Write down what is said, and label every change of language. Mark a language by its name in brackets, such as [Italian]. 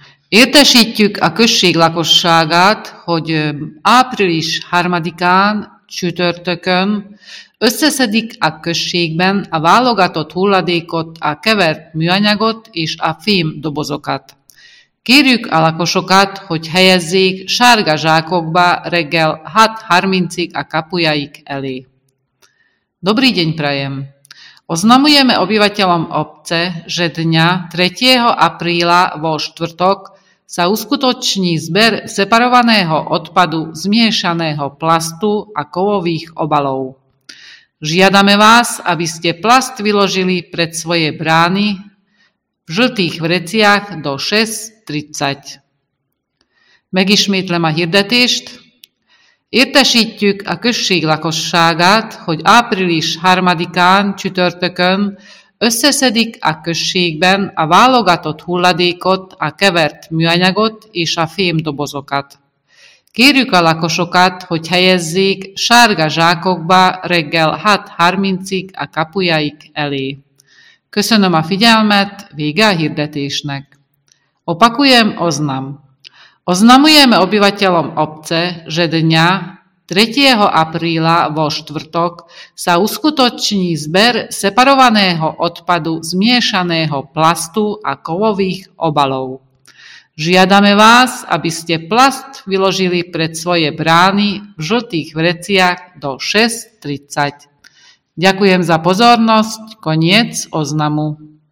[Hungarian] Értesítjük a község lakosságát, hogy április 3-án, csütörtökön összeszedik a községben a válogatott hulladékot, a kevert műanyagot és a fém dobozokat. Kérjük a lakosokat, hogy helyezzék sárga zsákokba reggel 6:30-ig a kapujaik elé. [Slovak] Dobrý deň prajem! Oznamujeme obyvateľom obce, že dňa 3. apríla vo štvrtok sa uskutoční zber separovaného odpadu zmiešaného plastu a kovových obalov. Žiadame vás, aby ste plast vyložili pred svoje brány v žltých vreciach do 6:30. [Hungarian] Megismétlem a hirdetést. Értesítjük a község lakosságát, hogy április 3-án, csütörtökön összeszedik a községben a válogatott hulladékot, a kevert műanyagot és a fémdobozokat. Kérjük a lakosokat, hogy helyezzék sárga zsákokba reggel 6:30-ig a kapujaik elé. Köszönöm a figyelmet, vége a hirdetésnek. [Slovak] Opakujem, oznam. Oznamujeme obyvateľom obce, že dňa 3. apríla vo štvrtok sa uskutoční zber separovaného odpadu zmiešaného plastu a kovových obalov. Žiadame vás, aby ste plast vyložili pred svoje brány v žltých vreciach do 6:30. Ďakujem za pozornosť. Koniec oznamu.